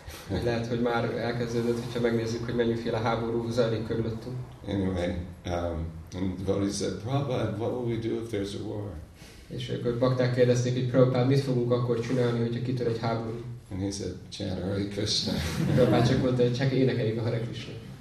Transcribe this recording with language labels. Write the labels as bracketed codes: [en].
[hu] Lehet, hogy már elkezdődött, hogyha megnézzük, hogy mennyiféle háború zajlik körülöttünk. [en] Anyway, and the devotee said, Prabhupada, what will we do if there's a war? [hu] És akkor bakták kérdezték, hogy Prabhupada, mit fogunk akkor csinálni, hogyha kitör egy háború? [en] And he said, chant Hare Krishna. [hu] Prabhupada csak mondta, hogy csak énekeljük a Hare Krishna.